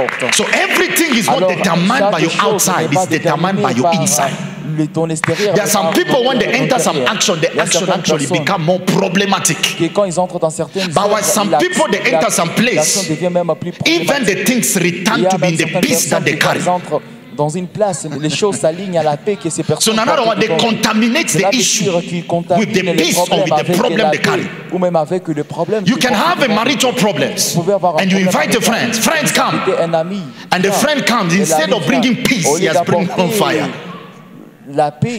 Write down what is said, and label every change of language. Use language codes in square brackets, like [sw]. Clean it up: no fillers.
[en] So everything is not determined by your outside, it's determined by your inside. There are some people when they enter some action, the action actually become more problematic. But when some people they enter some place, even the things return to be in the peace that they carry. [fr] Dans une place, les choses s'alignent à la paix que ces personnes. [en] So now they contaminate the issue with the peace or with the problem they carry. [fr] Ou même avec le problème. [en] You can have a marital problems, and you invite a friend. Friends come, and the friend comes instead of bringing peace, he has brought on fire. [fr] La paix,